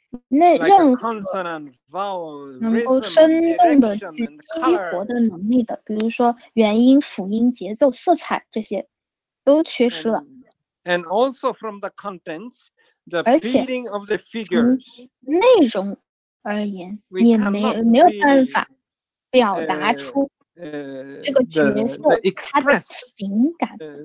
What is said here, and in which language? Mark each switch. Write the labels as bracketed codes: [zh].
[zh] 任何能够生动的去激活的能力的，比如说元音、辅音、节奏、色彩这些，都缺失了。 [en] And also from the contents, the feeling of the figures. [zh] 内容而言，也没有办法表达出这个角色他的情感。